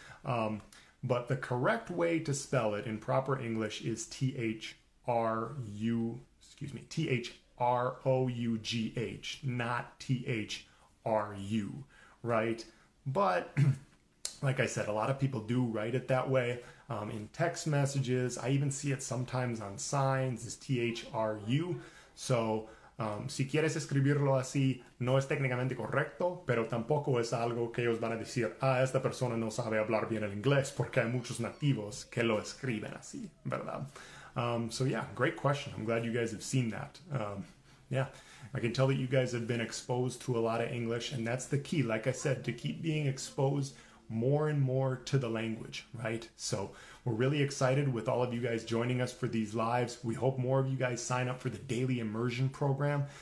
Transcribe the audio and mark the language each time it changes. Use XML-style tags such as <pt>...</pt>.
<en>But the correct way to spell it in proper English is THROUGH, not THRU, right? But like I said, a lot of people do write it that way in text messages. I even see it sometimes on signs, is THRU.</en> <es>So, si quieres escribirlo así, no es técnicamente correcto, pero tampoco es algo que ellos van a decir, ah, esta persona no sabe hablar bien el inglés, porque hay muchos nativos que lo escriben así, ¿verdad?</es> <en>So yeah, great question. I'm glad you guys have seen that. Yeah, I can tell that you guys have been exposed to a lot of English, and that's the key, like I said, to keep being exposed more and more to the language, right? So we're really excited with all of you guys joining us for these lives. We hope more of you guys sign up for the Daily Immersion Program.</en>